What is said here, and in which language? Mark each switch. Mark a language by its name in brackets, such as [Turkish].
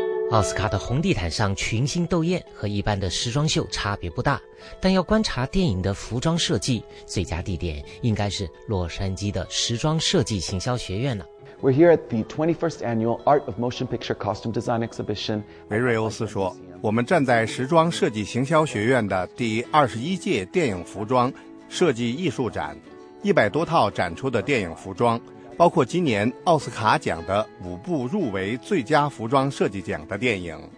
[Chinese] 奥斯卡的红地毯上群星斗艳，和一般的时装秀差别不大，但要观察电影的服装设计，最佳地点应该是洛杉矶的时装设计行销学院了。 [English] We're here at the 21st Annual Art of Motion Picture Costume Design Exhibition. [Chinese] 梅瑞欧斯说，我们站在时装设计行销学院的第21届电影服装设计艺术展，100多套展出的电影服装，包括今年奥斯卡奖的5部入围最佳服装设计奖的电影。